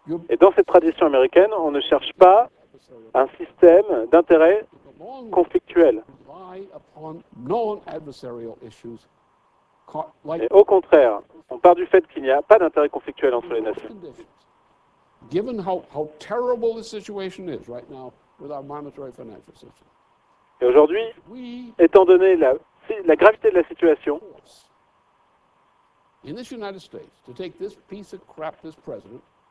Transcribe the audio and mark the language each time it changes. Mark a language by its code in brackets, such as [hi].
[fr] Et dans cette tradition américaine, on ne cherche pas un système d'intérêts conflictuels. Et au contraire, on part du fait qu'il n'y a pas d'intérêt conflictuel entre les nations. [en] Given how terrible the situation is right now with our monetary financial system. [fr] Et aujourd'hui, étant donné la gravité de la situation, [en] in this United States, to take this piece of crap, this president,